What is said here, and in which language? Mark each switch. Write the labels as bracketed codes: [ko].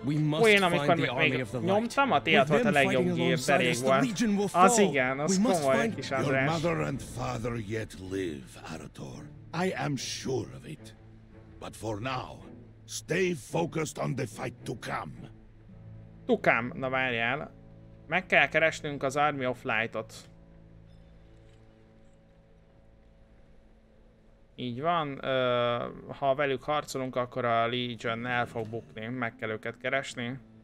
[hu] Olyan, amikor még nyomtam, a tiad volt a legjobb gír, de rég volt. Az igen, az komoly kis adrás. [en] Your mother and father yet live, Arator. I am sure of it. But for now, stay focused on the fight to come. To come, [hu] na várjál. Meg kell keresnünk az Army of Light-ot. Így van, ha velük harcolunk, akkor a Legion el fog bukni, meg kell őket keresni.